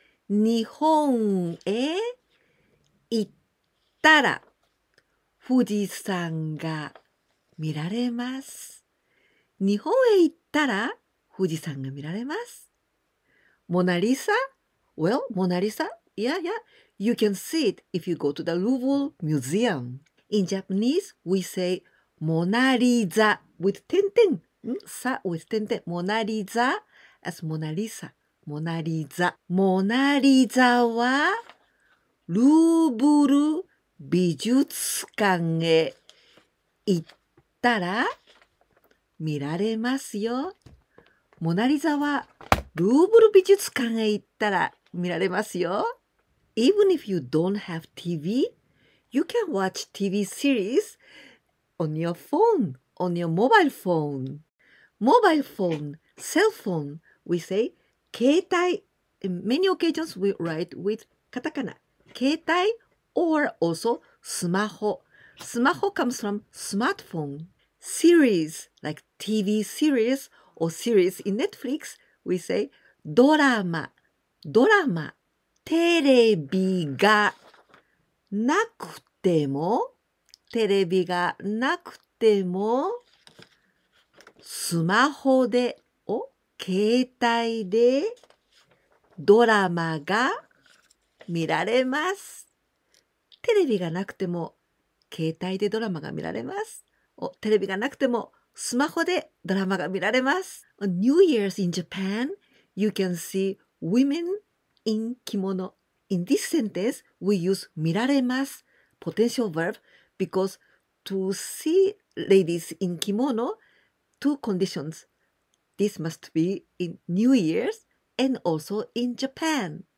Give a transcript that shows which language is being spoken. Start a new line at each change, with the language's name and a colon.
Japanese: 日本へ行ったら富士山が見られます。日本へ行ったら富士山が見られます。
English: モナリサ?Well, モナリサ?Yeah, yeah. You can see it if you go to the Louvre Museum. In Japanese, we say モナリザ with 点点。さ with 点点。モナリザ as モナリサ。モナリザ。
Japanese: モナリザはルーブル美術館へ行ったら見られますよ。モナリザはルーブル美術館へ行ったら見られますよ。
English: Even if you don't have TV, you can watch TV series on your phone, on your mobile phone. Mobile phone, cell phone, we say 携帯. In many occasions, we write with katakana. 携帯 or also スマホ. スマホ comes from smartphone. Series, like TV series or series in Netflix, we say ドラマ.ドラマ.
Japanese: テレビがなくても、テレビがなくても、スマホで、携帯で、ドラマが見られます。テレビがなくても、携帯でドラマが見られます。テレビがなくても、スマホでドラマが見られます。
English: New Year's in Japan, you can see women in kimono. In this sentence, we use 見られます potential verb because to see ladies in kimono, two conditions. This must be in New Year's and also in Japan.